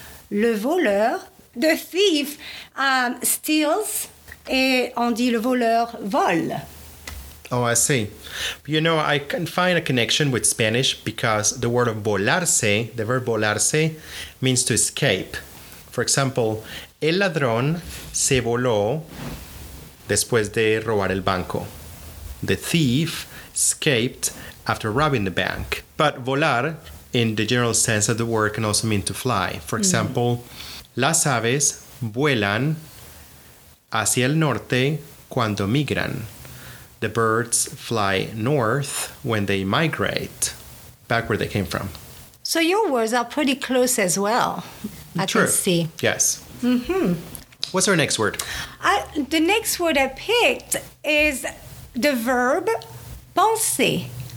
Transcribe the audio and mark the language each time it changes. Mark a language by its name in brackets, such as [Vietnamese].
[French] Le voleur, [English] the thief, steals, [French] et on dit le voleur vole. [English] Oh, I see. You know, I can find a connection with Spanish because the word volarse, the verb volarse, means to escape. For example, [Spanish] el ladrón se voló después de robar el banco. [English] The thief escaped after robbing the bank. But volar, in the general sense of the word, can also mean to fly. For example, [Spanish] las aves vuelan hacia el norte cuando migran. [English] The birds fly north when they migrate, back where they came from. So your words are pretty close as well. True. I can see. Yes. Mm-hmm. What's our next word? The next word I picked is the verb penser.